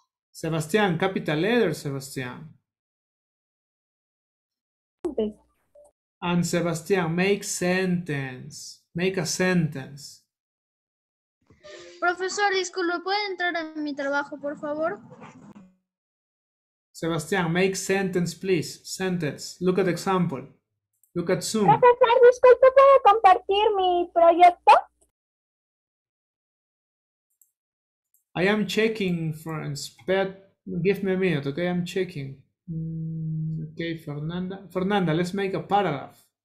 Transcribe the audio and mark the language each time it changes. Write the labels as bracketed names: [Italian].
[English] Sebastián, capital letter, Sebastián. And Sebastián, make sentence. Make a sentence. [Spanish] Profesor, disculpe, ¿puede entrar en mi trabajo, por favor? [English] Sebastián, make sentence, please. Sentence. Look at example. Look at Zoom. [Spanish] Profesor, disculpe, ¿puede compartir mi proyecto? [English] I am checking, friends, but give me a minute, okay? I'm checking. Okay, Fernanda. Fernanda, let's make a paragraph.